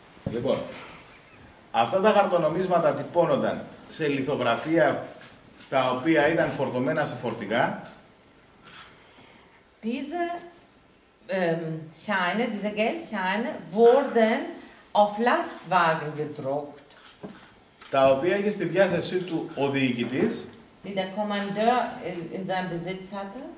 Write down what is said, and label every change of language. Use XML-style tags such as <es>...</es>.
<el>Λοιπόν, αυτά τα χαρτονομίσματα τυπώνονταν σε λιθογραφία τα οποία ήταν φορτωμένα σε φορτηγά.</el> <de>diese Scheine, diese Geldscheine wurden auf Lastwagen gedruckt.</de> <el>Τα οποία είχε στη διάθεσή του ο διοικητής.</el> <de>Die der Kommandeur in seinem Besitz hatte.</de>